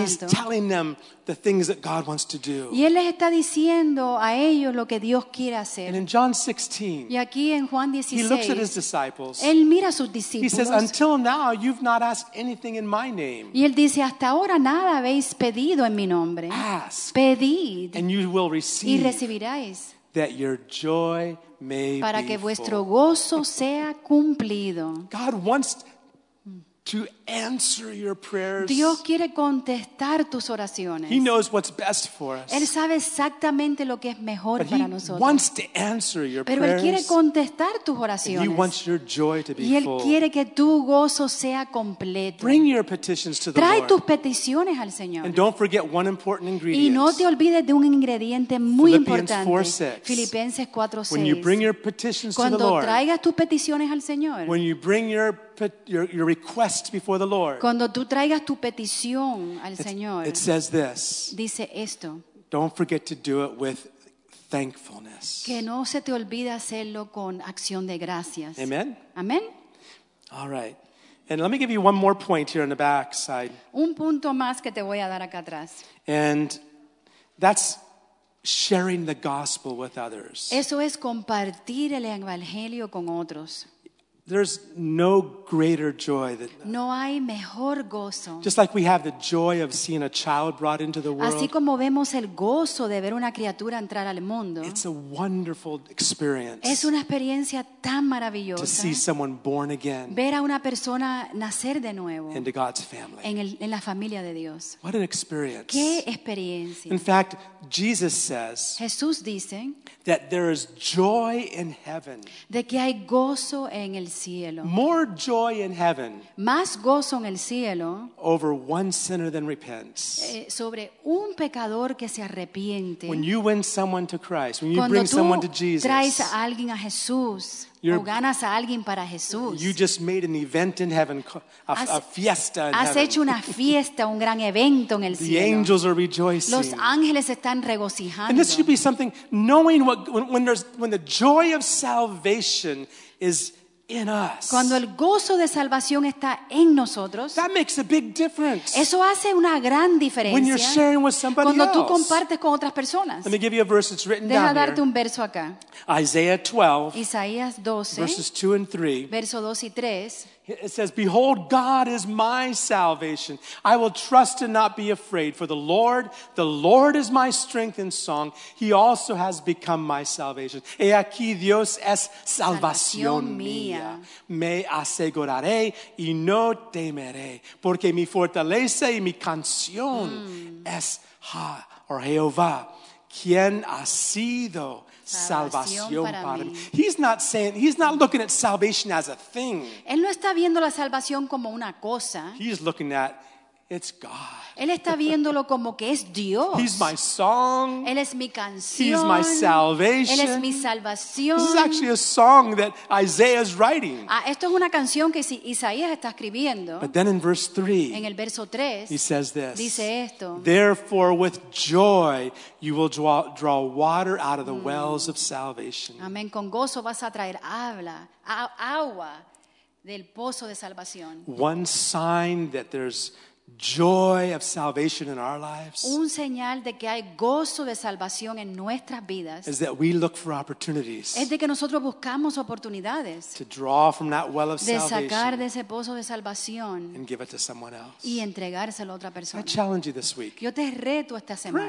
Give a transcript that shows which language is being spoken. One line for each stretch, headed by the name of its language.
English: And he's telling them the things that God wants to do.
Spanish: Y él les está diciendo a ellos lo que Dios quiere hacer.
English: And in John 16,
Spanish: y aquí en Juan 16,
English: he looks at his disciples.
Spanish: Él mira a sus discípulos.
English: He says, "Until now, you've not asked anything in my name."
Spanish: Y él dice, "Hasta ahora nada habéis pedido en mi nombre."
English: Ask.
Spanish: Pedid.
English: And you will receive.
Spanish: Y recibiréis.
English: That your joy may
Spanish: para
English: be
Spanish: que
English: full.
Spanish: Vuestro gozo sea cumplido.
English: God wants to answer your prayers.
Spanish: Dios quiere contestar tus oraciones.
English: He knows what's best for us.
Spanish: Él sabe exactamente lo que es mejor para nosotros.
English: But he wants to answer your
Spanish: prayers. Pero él quiere contestar tus oraciones.
English: He wants your joy to be full.
Spanish: Y él quiere que tu gozo sea completo.
English: Bring your petitions to the Lord.
Spanish: Trae tus peticiones al Señor.
English: And don't forget one important ingredient.
Spanish: Y no te olvides de un ingrediente muy importante. Filipenses 4:6.
English: When you bring your petitions to the Lord.
Spanish: Cuando traigas tus peticiones al Señor.
English: When you bring your request before the Lord.
Spanish: Cuando tú traigas tu petición al Señor.
English: It says this.
Spanish: Dice esto.
English: Don't forget to do it with thankfulness.
Spanish: Que no se te olvide hacerlo con acción de gracias.
English: Amen.
Spanish: Amen.
English: All right. And let me give you one more point here on the back side.
Spanish: Un punto más que te voy a dar acá atrás.
English: And that's sharing the gospel with others.
Spanish: Eso es compartir el evangelio con otros.
English: There's no greater joy than that.
Spanish: No hay mejor gozo.
English: Just like we have the joy of seeing a child brought into the world.
Spanish: Así como vemos el gozo de ver una criatura entrar al mundo.
English: It's a wonderful experience.
Spanish: Es una experiencia tan maravillosa.
English: To see someone born again.
Spanish: Ver a una persona nacer de nuevo.
English: Into God's family.
Spanish: En la familia de Dios.
English: What an experience.
Spanish: Qué experiencia.
English: In fact, Jesus says.
Spanish: Jesús dice.
English: That there is joy in heaven.
Spanish: De que hay gozo en el cielo.
English: More joy in heaven.
Spanish: Más gozo en el cielo.
English: Over one sinner than repents.
Spanish: Sobre un pecador que se arrepiente.
English: When you win someone to Christ, when you
Spanish: Cuando
English: bring someone to Jesus.
Spanish: Traes a alguien a Jesús. O ganas a alguien para Jesús.
English: You just made an event in heaven, a fiesta in
Spanish: has Hecho una fiesta, un gran evento en el
English: the
Spanish: cielo.
English: The angels are rejoicing.
Spanish: Los ángeles están regocijando.
English: And this should be something, knowing what when the joy of salvation is in us.
Spanish: Cuando el gozo de salvación está en nosotros.
English: That makes a big difference.
Spanish: Eso hace una gran diferencia.
English: When you're sharing with somebody
Spanish: cuando
English: else.
Spanish: Tú compartes con otras personas.
English: Let me give you a verse that's written
Spanish: Deja
English: down
Spanish: darte here. Un verso acá.
English: Isaiah 12.
Spanish: Isaías 12.
English: Verses 2 and 3.
Spanish: Verso 2 y 3.
English: It says, Behold, God is my salvation. I will trust and not be afraid. For the Lord is my strength and song. He also has become my salvation.
Spanish: He aquí, Dios es salvación mía. Me aseguraré y no temeré. Porque mi fortaleza y mi canción es Jehová. ¿Quién ha sido? Salvación para mí.
English: He's not looking at salvation as a thing.
Spanish: Él no está viendo la salvación como una cosa.
English: He's looking at it's God.
Spanish: Él está viéndolo como que es Dios.
English: He's my song.
Spanish: Él es mi canción.
English: He's my salvation.
Spanish: Él es mi salvación.
English: This is actually a song that Isaiah is writing.
Spanish: Esto es una canción que Isaías está escribiendo.
English: But then in verse 3,
Spanish: en el verso 3,
English: he says this.
Spanish: Dice esto.
English: Therefore, with joy, you will draw water out of the wells of salvation.
Spanish: Amén. Con gozo vas a traer agua del pozo de salvación.
English: One sign that there's joy of salvation in our lives.
Spanish: Un señal de que hay gozo de salvación en nuestras vidas.
English: Is that we look for opportunities.
Spanish: Es de que nosotros buscamos oportunidades.
English: To draw from that well of salvation.
Spanish: De sacar de ese pozo de salvación.
English: And give it to someone else.
Spanish: Y entregárselo a otra persona.
English: I challenge you this week.
Spanish: Yo te reto esta semana.